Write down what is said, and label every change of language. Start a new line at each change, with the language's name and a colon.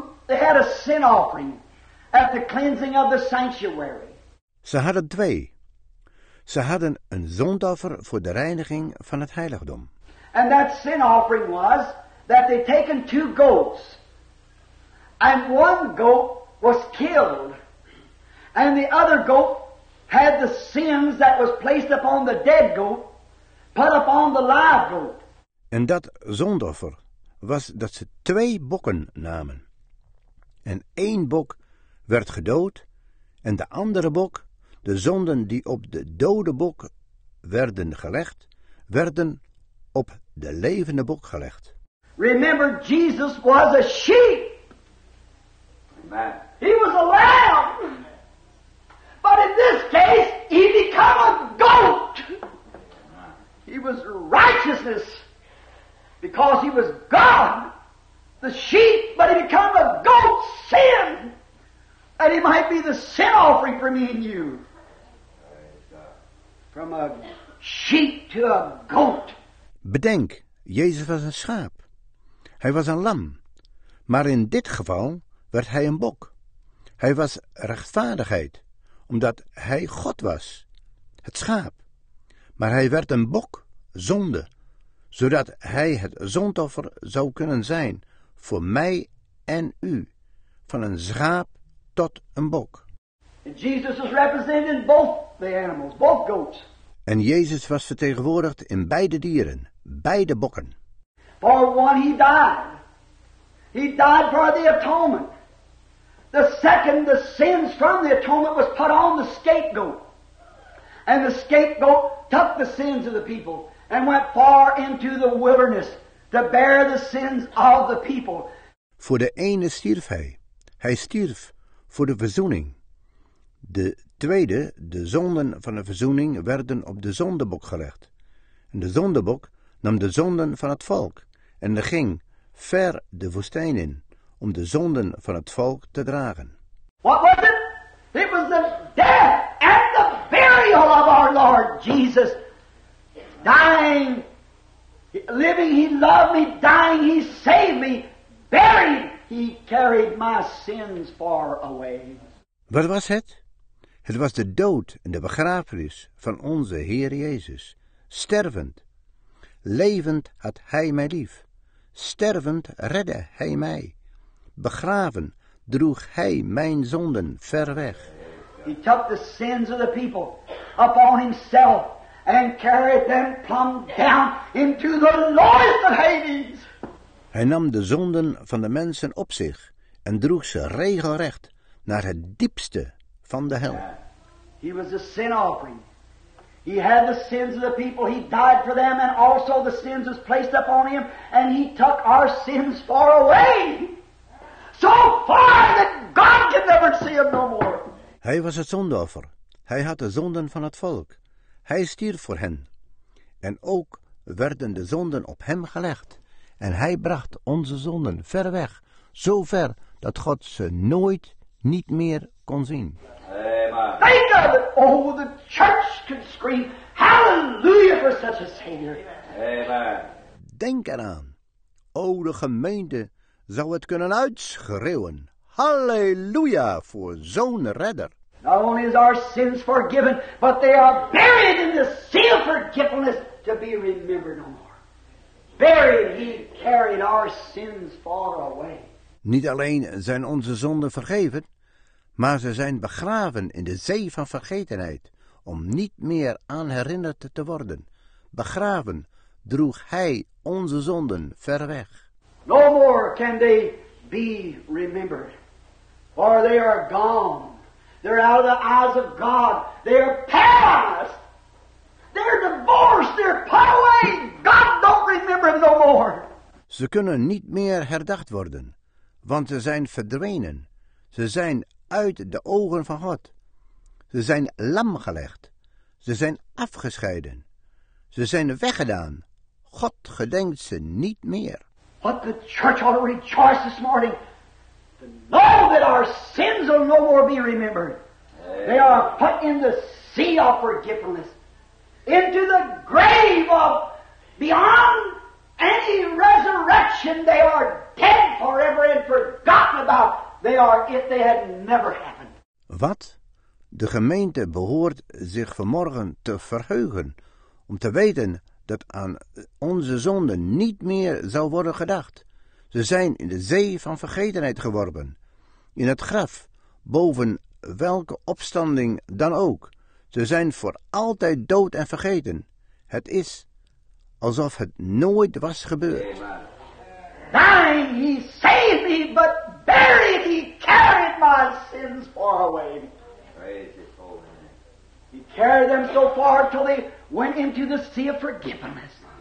English: They had a sin offering at the cleansing of the sanctuary.
Dutch: Ze hadden twee. Ze hadden een zondoffer voor de reiniging van het heiligdom.
English: And that sin offering was that they taken two goats. And one goat was killed. And the other goat had the sins that was placed upon the dead goat put upon the live goat.
Dutch: En dat zondoffer was dat ze twee bokken namen. En één bok werd gedood en de andere bok, de zonden die op de dode bok werden gelegd, werden op de levende bok gelegd.
English: Remember, Jesus was a sheep. Amen. He was a lamb. But in this case, he became a goat. He was righteousness. Because he was God, the sheep, but he became a goat, sin. And he might be the sin offering for me and you. From a sheep to a goat.
Dutch: Bedenk, Jezus was een schaap. Hij was een lam. Maar in dit geval werd hij een bok. Hij was rechtvaardigheid, omdat hij God was, het schaap. Maar hij werd een bok, zonde, zodat hij het zondoffer zou kunnen zijn voor mij en u, van een schaap tot een bok.
English: Jesus was represented in both the animals, both goats.
Dutch: En Jezus was vertegenwoordigd in beide dieren, beide bokken.
English: For one he died. He died for the atonement. The second, the sins from the atonement was put on the scapegoat. And the scapegoat took the sins of the people and went far into the wilderness to bear the sins of the people.
Dutch: Voor de ene stierf hij. Hij stierf voor de verzoening. De tweede, de zonden van de verzoening, werden op de zondebok gelegd. En de zondebok nam de zonden van het volk en ging ver de woestijn in om de zonden van het volk te dragen.
English: What was it? It was the death and the burial of our Lord Jesus. Dying, living he loved me, dying he saved me, buried he carried my sins far away.
Dutch: Wat was het? Het was de dood en de begrafenis van onze Heer Jezus. Stervend. Levend had hij mij lief. Stervend redde hij mij. Begraven droeg hij mijn zonden ver weg.
English: He took the sins of the people upon himself and carried them plumb down into the lowest of Hades.
Dutch: Hij nam de zonden van de mensen op zich en droeg ze regelrecht naar het diepste van de hel.
English: He was a sin offering. He had the sins of the people. He died for them and also the sins was placed upon him and he took our sins far away. So far that God can never see him no more.
Dutch: Hij was het zondoffer. Hij had de zonden van het volk. Hij stierf voor hen. En ook werden de zonden op hem gelegd. En hij bracht onze zonden ver weg. Zo ver dat God ze nooit niet meer kon zien.
English: Think of it! Oh, the church could scream hallelujah for such a savior. Amen.
Dutch: Denk eraan. O, de gemeente zou het kunnen uitschreeuwen. Halleluja voor zo'n redder.
English: Not only is our sins forgiven, but they are buried in the sea of forgiveness to be remembered no more. Buried, he carried our sins far away.
Dutch: Niet alleen zijn onze zonden vergeven, maar ze zijn begraven in de zee van vergetenheid, om niet meer aan herinnerd te worden. Begraven droeg hij onze zonden ver weg.
English: No more can they be remembered. For they are gone. They're out of the eyes of God. They're past. They're divorced. They're put away. God don't remember them no more.
Dutch: Ze kunnen niet meer herdacht worden, want ze zijn verdwenen. Ze zijn uit de ogen van God. Ze zijn lam gelegd. Ze zijn afgescheiden. Ze zijn weggedaan. God gedenkt ze niet meer.
English: What the church ought to rejoice this morning. To know that our sins will no more be remembered. They are put in the sea of forgetfulness. Into the grave of beyond any resurrection. They are dead forever and forgotten about. They are if they had never happened.
Dutch: Wat? De gemeente behoort zich vanmorgen te verheugen om te weten dat aan onze zonden niet meer zou worden gedacht. Ze zijn in de zee van vergetenheid geworpen, in het graf, boven welke opstanding dan ook. Ze zijn voor altijd dood en vergeten. Het is alsof het nooit was gebeurd.
English: Thine he saved me, but buried he carried my sins far away. He carried them so far till they went into the sea of forgiveness.